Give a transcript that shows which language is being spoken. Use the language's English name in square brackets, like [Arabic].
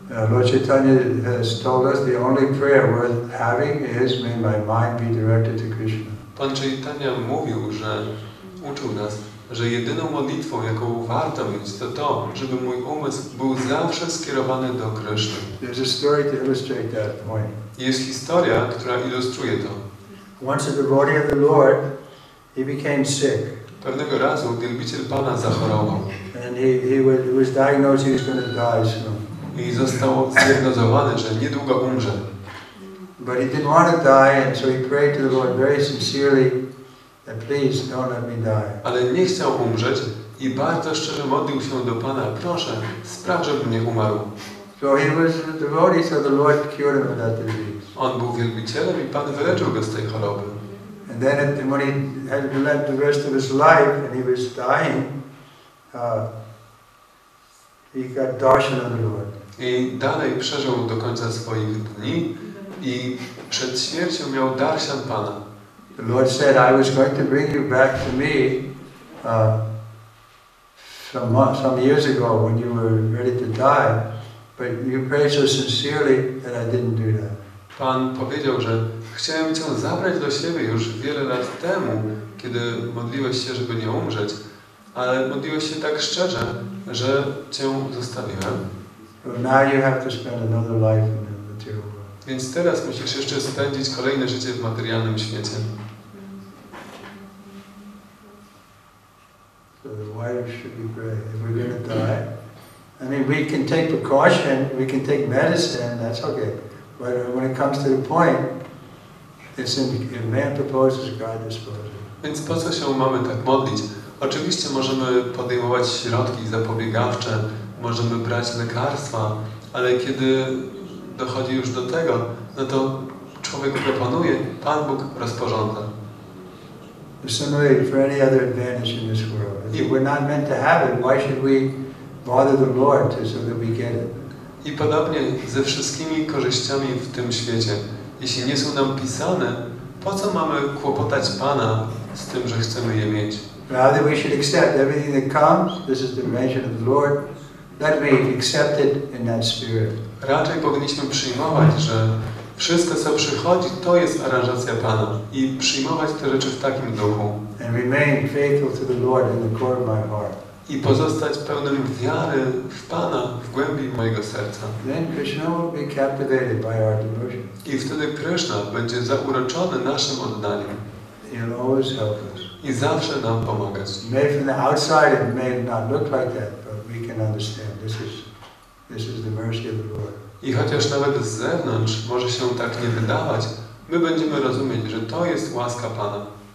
[English] Lord Chaitanya has told us the only prayer worth having is may my mind be directed to Krishna. [Polish] Pan Chaitanya mówił, że uczył nas, że jedyną modlitwą, jaką warto mieć, to, żeby mój umysł był zawsze skierowany do Kryszny. [English] There's a story to illustrate that point. [Polish] Jest historia, która ilustruje to. [English] Once a devotee of the Lord, he became sick. [Polish] Pewnego razu wielbiciel Pana zachorował. [English] And he was diagnosed he was going to die soon. [Polish] I został zdiagnozowany, że niedługo umrze. [English] But he didn't want to die, and so he prayed to the Lord very sincerely, that please don't let me die. [Polish] Ale nie chciał umrzeć i bardzo szczerze modlił się do Pana, proszę, spraw, żebym nie umarł. [English] So he was a devotee, so the Lord cured him of that disease. [Polish] On był wielbicielem i Pan wyleczył go z tej choroby. [English] And then when he had lived the rest of his life and he was dying, he got darshan of the Lord. [Polish] I dalej przeżył do końca swoich dni i przed śmiercią miał darshan Pana. [English] The Lord said, I was going to bring you back to me some years ago when you were ready to die, but you prayed so sincerely that I didn't do that. [Polish] Pan powiedział, że chciałem cię zabrać do siebie już wiele lat temu, kiedy modliłeś się, żeby nie umrzeć, ale modliłeś się tak szczerze, że cię zostawiłem. [English] But now you have to spend another life in the material world. [Polish] Więc teraz musisz jeszcze spędzić kolejne życie w materialnym świecie. [English] So why should we pray? If we're going to die, I mean, we can take precaution, we can take medicine, that's okay. But when it comes to the point, it's in the man proposes, God disposes. [Polish] Więc po co się mamy tak modlić? Oczywiście możemy podejmować środki zapobiegawcze, możemy brać lekarstwa, ale kiedy dochodzi już do tego, no to człowiek proponuje, Pan Bóg rozporządza. [English] Similarly, for any other advantage in this world. If we're not meant to have it, why should we bother the Lord to so that we get it? [Polish] I podobnie ze wszystkimi korzyściami w tym świecie. Jeśli nie są nam pisane, po co mamy kłopotać Pana z tym, że chcemy je mieć? [English] Rather we should accept everything that comes. This is the mention of the Lord. Let me accept it in that spirit. [Polish] Raczej powinniśmy przyjmować, że wszystko, co przychodzi, to jest aranżacja Pana. I przyjmować te rzeczy w takim duchu. [English] And remain faithful to the Lord in the core of my heart. [Polish] I pozostać pełnym wiary w Pana, w głębi mojego serca. [English] Then Krishna will be captivated by our devotion. [Polish] I wtedy Krishna będzie zauroczony naszym oddaniem. [English] He'll always help us. [Polish] I zawsze nam pomagać. [English] May from the outside it may not look like that, but we can understand this is the mercy of the Lord. [Polish] I chociaż nawet z zewnątrz może się tak nie wydawać, my będziemy rozumieć, że to jest łaska Pana.